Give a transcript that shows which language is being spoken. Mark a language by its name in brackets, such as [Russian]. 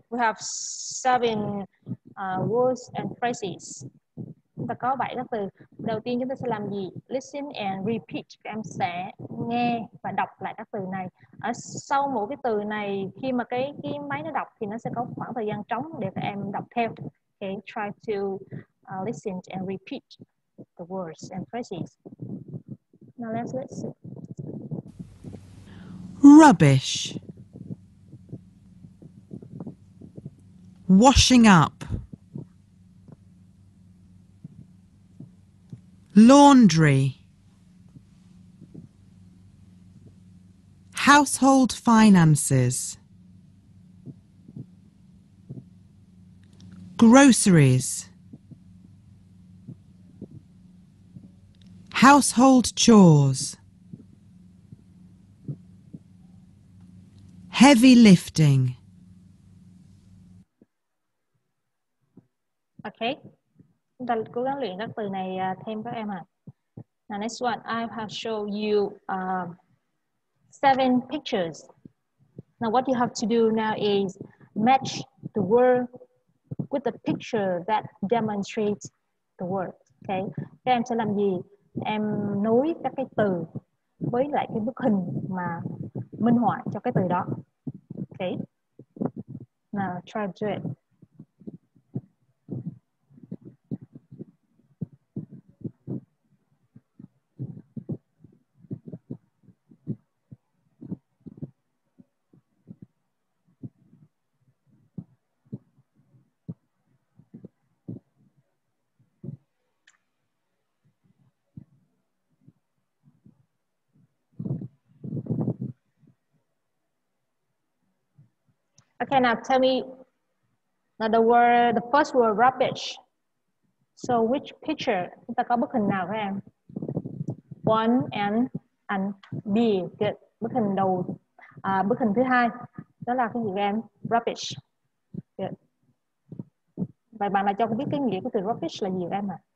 [English] We have 7 words and phrases. [Vietnamese] Chúng ta có 7 các từ. Đầu tiên chúng ta sẽ làm gì? [English] Listen and repeat. [Vietnamese] Các em sẽ nghe và đọc lại các từ này. Ở sau mỗi cái từ này, khi mà cái máy nó đọc thì nó sẽ có khoảng thời gian trống để các em đọc theo. [English] Okay, try to listen and repeat the words and phrases. Now let's listen. Rubbish. Washing up. Laundry. Household finances. Groceries. Household chores. Heavy lifting. Okay. [Vietnamese] Chúng ta cố gắng luyện các từ này thêm các em ạ. [English] Now next one, I have shown you 7 pictures. Now what you have to do now is match the word with the picture that demonstrates the word. [Vietnamese] Okay. Các em sẽ làm gì? Em nối các cái từ với lại cái bức hình mà minh họa cho cái từ đó. [English] Okay. Now try to do it. Okay, now tell me now the word, the first word, rubbish. So which picture? [Vietnamese] Chúng ta có bức hình nào các em? [English] One and B. Good. [Vietnamese] Bức hình đầu, bức hình thứ hai. Đó là cái gì các em? Rubbish. Good. Vậy bạn nào cho biết cái nghĩa của từ rubbish là gì các em ạ?